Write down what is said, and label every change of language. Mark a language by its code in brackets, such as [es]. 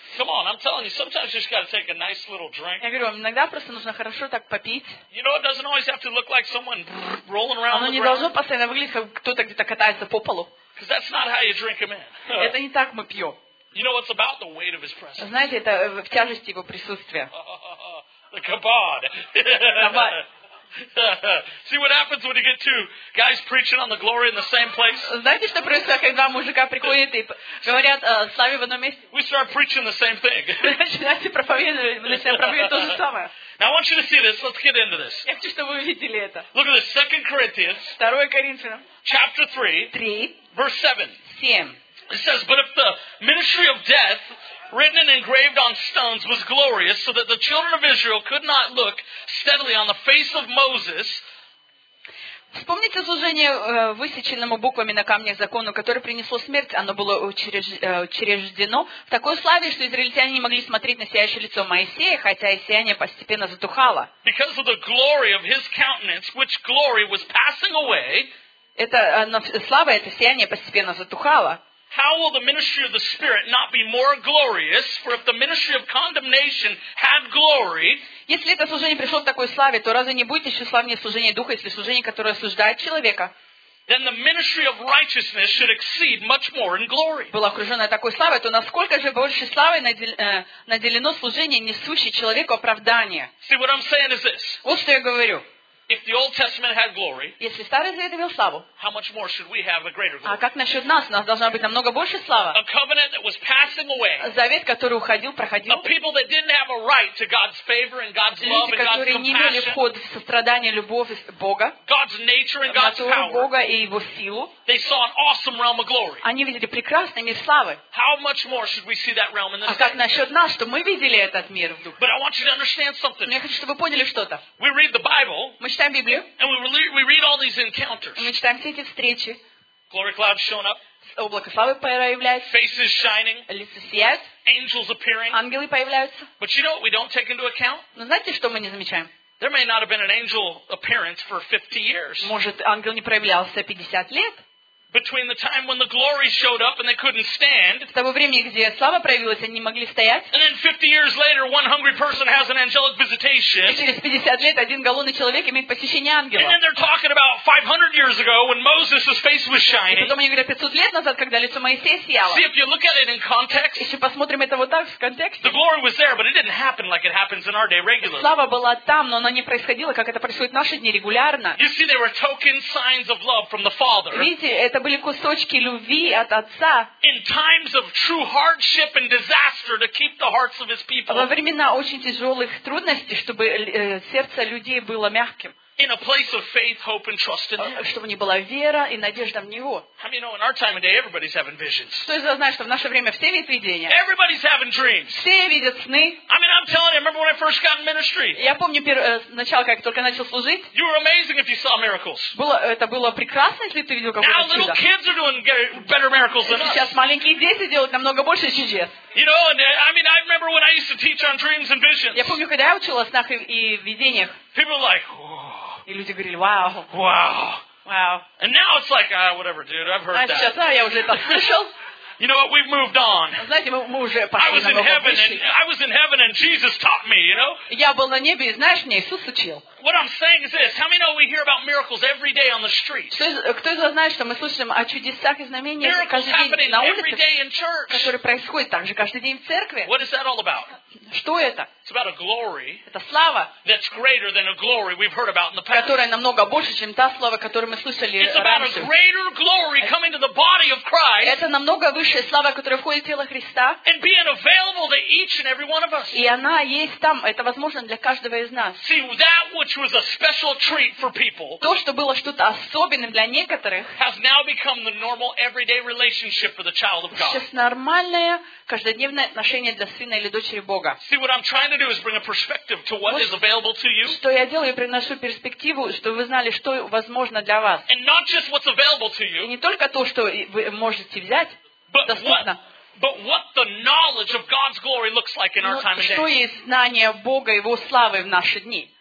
[en] Come on, I'm telling you, sometimes you just got to take a nice little drink. [ru] Я говорю вам, иногда просто нужно хорошо так попить. [en] You know, it doesn't always have to look like someone rolling around. [ru] Оно не должно постоянно выглядеть, как кто-то где-то катается по полу. [en] Because that's not how you drink them in. [ru] Это не так мы пьем. [en] You know what's about the weight of his presence. [ru] Знаете, это в тяжести его присутствия. [en] The kabod. See what happens when you get two guys preaching on the glory in the same place? [ru] Знаете, что происходит, когда мужика приходят и говорят о славе в одном месте? [en] We start preaching the same thing. [ru] Начинаете проповедовать то же самое. [en] Now I want you to see this. Let's get into this. [ru] Я хочу, чтобы вы видели это. [en] Look at this. 2 Corinthians. [ru] 2 Коринфянам. [en] Chapter 3. Verse 7. 7. It says, but if the ministry of death written and engraved on stones was glorious so that the children of Israel could not look steadily on the face of Moses, [ru] Вспомните служение, высеченному буквами на камнях закону, которое принесло смерть. Оно было учреждено в такой славе, что израильтяне не могли смотреть на сияющее лицо Моисея, хотя и сияние постепенно затухало. [en] Because of the glory of his countenance, which glory was passing away, [ru] это слава, это сияние постепенно затухало. [en] How will the ministry of the Spirit not be more glorious? For if the ministry of condemnation had glory, [ru] если это служение пришло в такой славе, то разве не будет еще славнее служение Духа, если служение, которое осуждает человека? [en] Then the ministry of righteousness should exceed much more in glory. [ru] Было окружено такой славой, то насколько же больше славой наделено служение, несущее человеку оправдание? [en] See what I'm saying is this. [ru] Вот что я говорю. [en] If the Old Testament had glory, [ru] если Старый Завет имел славу, [en] how much more should we have a greater glory? [ru] А как насчет нас? У нас должна быть намного больше слава. [en] A covenant that was passing away. [ru] Завет, который уходил, проходил. [en] A people that didn't have a right to God's favor and God's love and God's compassion. [ru] Люди, которые не имели вход в сострадание, любовь Бога. [en] God's nature and God's power. [ru] Натуру Бога и его силу. [en] They saw an awesome realm of glory. [ru] Они видели прекрасный мир славы. [en] How much more should we see that realm in this? [ru] А как насчет нас, что мы видели этот мир в духе? [en] But I want you to understand something. [ru] Но я хочу, чтобы вы поняли что-то. [en] We read the Bible. [ru] Мы читаем Библию. [en] And we read all these encounters. [ru] Мы читаем все эти встречи. [en] Glory clouds showing up. [ru] Облако славы появляется. [en] Faces shining. [ru] Лица сияют. [en] Angels appearing. [ru] Ангелы появляются. [en] But you know what we don't take into account? [ru] Но знаете, что мы не замечаем? [en] There may not have been an angel appearance for 50 years. [ru] Может, ангел не проявлялся 50 лет? [en] Between the time when the glory showed up and they couldn't stand, [ru] в того времени, где слава проявилась, они не могли стоять. [en] And then 50 years later, one hungry person has an angelic visitation. [ru] И через 50 лет один голодный человек имеет посещение ангела. [en] And then they're talking about 500 years ago when Moses' face was shining. [ru] И потом они говорят 500 лет назад, когда лицо Моисея сияло. [en] See, if you look at it in context, [ru] если посмотрим это вот так в контексте, [en] the glory was there, but it didn't happen like it happens in our day regularly. [ru] Слава была там, но она не происходила, как это происходит в наши дни регулярно. [en] You see, there were token signs of love from the Father. [ru] Видите, это Это были кусочки любви от Отца. [en] In times of true hardship and disaster to keep the hearts of his people. [ru] Во времена очень тяжелых трудностей, чтобы сердце людей было мягким. [en] In a place of faith, hope and trust in him. [ru] Чтобы не была вера и надежда в него. [en] How many know in our time and day everybody's having visions? [ru] Кто из вас знает, что в наше время все видят видения? [en] Everybody's having dreams. [ru] Все видят сны. [en] I mean, I'm telling you, I remember when I first got in ministry. [ru] Я помню начало, как только начал служить. [en] You were amazing if you saw miracles. [ru] Это было прекрасно, если ты видел какое-то чудо. [en] Now little kids are doing better miracles than us. [ru] Сейчас маленькие дети делают намного больше чудес. [en] You know, and I mean, I remember when I used to teach on dreams and visions. [ru] Я помню, когда я учил о снах и видениях. [en] People were like, [ru] и люди говорили, вау. [en] Wow. Wow. And now it's like, whatever, dude, I've heard [ru] сейчас, [en] that. [ru] Я уже это слышал. [en] You know what, we've moved on. [ru] Знаете, мы уже пошли на новую вышку. [en] I was in heaven and Jesus taught me, you know? [ru] Я был на небе, и знаешь, мне Иисус учил. [en] What I'm saying is this. How many know we hear about miracles every day on the street? [ru] Кто из вас знает, что мы слышим о чудесах и знамениях каждый день на улице? [en] Every day in church. [ru] Которые происходят также каждый день в церкви. [en] What is that all about? [ru] Что это? [en] It's about a glory. [ru] Это слава. [en] That's greater than a glory we've heard about in the past. [ru] Которая намного больше, чем та слава, которую мы слышали раньше. [en] It's about a greater glory coming to the body of Christ. [ru] Это намного высшая слава, которая входит в тело Христа. [en] And being available to each and every one of us. [ru] И она есть там. Это возможно для каждого из нас. [en] See, that which was a special treat for people. [ru] То, что было что-то особенным для некоторых, [en] has now become the normal everyday relationship for the child of God. [ru] Сейчас нормальное каждодневное отношение для сына или дочери Бога. [en] See, what I'm trying to do is bring a perspective to what is available to you. [ru] Что я делаю, я приношу перспективу, чтобы вы знали, что возможно для вас. [en] And not just what's available to you. [ru] И не только то, что вы можете взять, доступно. [en] But what the knowledge of God's glory looks like in our time and [ru] age. Что есть знание Бога и его славы в наши дни.